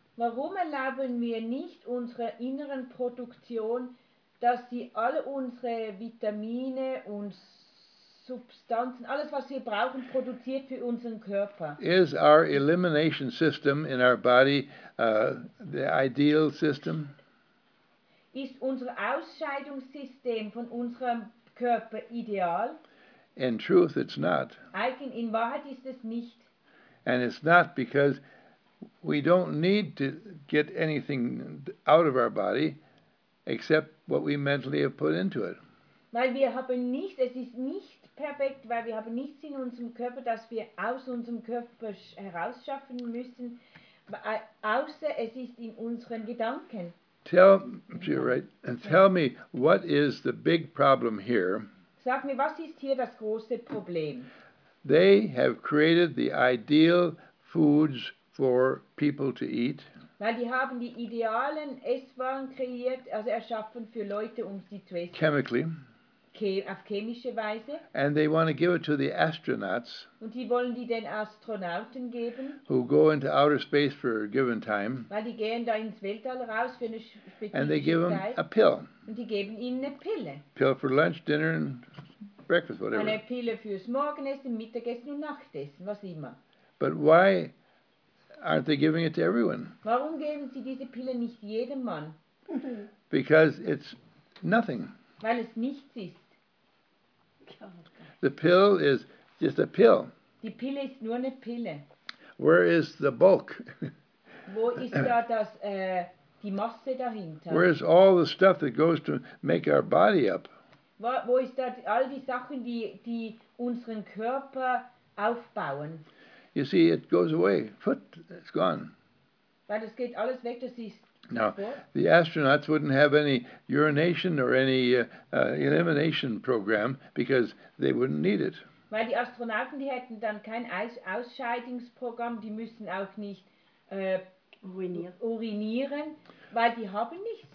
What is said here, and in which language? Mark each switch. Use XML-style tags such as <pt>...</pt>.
<de>Warum erlauben wir nicht unserer inneren Produktion, dass sie alle unsere Vitamine und Substanzen, alles was wir brauchen, produziert für unseren Körper?</de> <en>Is our elimination system in our body the ideal system?</en> <de>Ist unser Ausscheidungssystem von unserem Körper ideal?</de> <en>In truth, it's not.</en> <de>In Wahrheit ist es nicht.</de> <en>And it's not because we don't need to get anything out of our body except what we mentally have put into it.</en> <de>Weil wir haben nichts, es ist nicht perfekt, weil wir haben nichts in unserem Körper, das wir aus unserem Körper herausschaffen müssen, außer es ist in unseren Gedanken.</de> <en>Tell, you're right, and tell me, what is the big problem here?</en> <de>Sag mir, was ist hier das große Problem?</de> <en>They have created the ideal foods for people to eat.</en> <de>Weil die haben die idealen Esswaren kreiert, also erschaffen für Leute, um sie zu essen.</de> <en>Chemically.</en> <de>Auf chemische Weise.</de> <en>And they want to give it to the astronauts.</en> <de>Und die wollen die den Astronauten geben.</de> <en>Who go into outer space for a given time.</en> <de>Weil die gehen da ins Weltall raus für eine spezifische Zeit.</de> <en>And they give</en> <de>Zeit.</de> <en>Them a pill.</en> <de>Und die geben ihnen eine Pille.</de> <en>Pill for lunch, dinner and breakfast, whatever.</en> <de>Eine Pille fürs Morgenessen, Mittagessen und Nachtessen, was immer.</de> <en>But why aren't they giving it to everyone?</en> <de>Warum geben sie diese Pille nicht jedem Mann?</de> <en>Because it's nothing.</en> <de>Weil es nichts ist.</de> <en>The pill is just a pill.</en> <de>Die Pille ist nur eine Pille.</de> <en>Where is the bulk?</en> <de>Wo ist da das, die Masse dahinter?</de> <en>Where is all the stuff that goes to make our body up?</en> <de>Wo ist da all die Sachen, die unseren Körper aufbauen?</de> <en>You see, it goes away. Foot, it's gone.</en> <de>Weil es geht alles weg, das ist.</de> <en>Now, the astronauts wouldn't have any urination or any elimination program because they wouldn't need it.</en> <de>Weil die Astronauten, die hätten dann kein Ausscheidungsprogramm, die müssen auch nicht urinieren, weil die haben nichts.</de>